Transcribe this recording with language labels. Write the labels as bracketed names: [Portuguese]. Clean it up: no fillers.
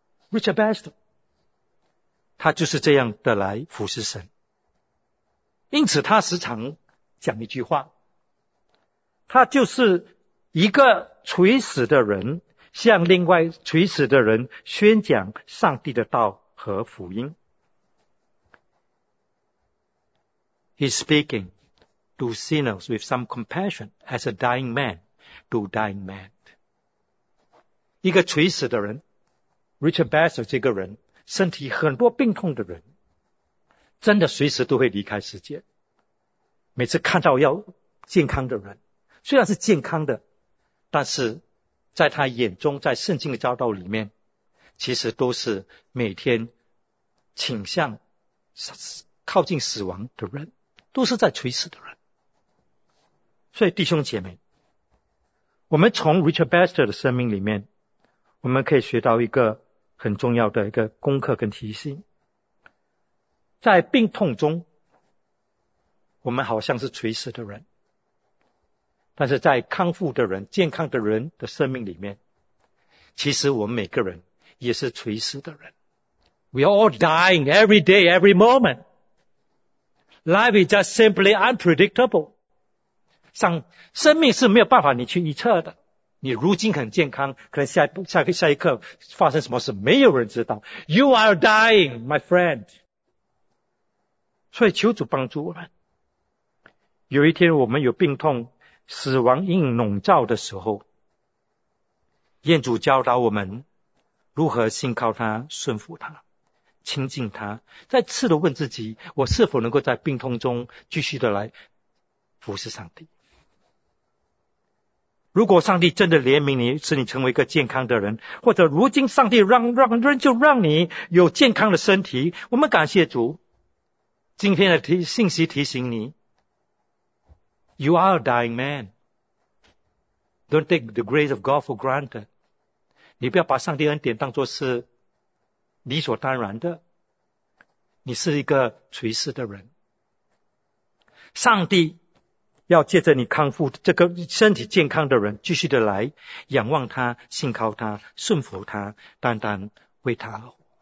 [Chinese] Richard Bastow 他就是这样的来服侍神。因此他时常讲一句话，他就是一个垂死的人向另外垂死的人宣讲上帝的道和福音。 [English] He's speaking to sinners with some compassion as a dying man to dying man. [Chinese] 一个垂死的人 Richard Basso 这个人身体很多病痛的人真的随时都会离开世界，每次看到要健康的人虽然是健康的，但是在他眼中，在圣经的教导里面，其实都是每天倾向靠近死亡的人，都是在垂死的人。所以弟兄姐妹，我们从 Richard Baxter 的生命里面，我们可以学到一个很重要的一个功课跟提醒，在病痛中我们好像是垂死的人，但是在康复的人健康的人的生命里面，其实我们每个人也是垂死的人。 [English] We are all dying every day, every moment. Life is just simply unpredictable. [Chinese] 生命是没有办法你去预测的，你如今很健康，可能下一刻发生什么事没有人知道。 [English] You are dying, my friend. [Chinese] 所以求主帮助我们，有一天我们有病痛死亡阴影笼罩的时候，愿主教导我们如何信靠他，顺服他，亲近他，再次的问自己，我是否能够在病痛中继续的来服侍上帝。如果上帝真的怜悯你，使你成为一个健康的人，或者如今上帝就让你有健康的身体，我们感谢主。今天的信息提醒你， [English] You are a dying man. Don't take the grace of God for granted. [Chinese] 你不要把上帝恩典当作是理所当然的。你是一个垂死的人，上帝要借着你康复这个身体健康的人继续的来仰望他，信靠他，顺服他，单单为他。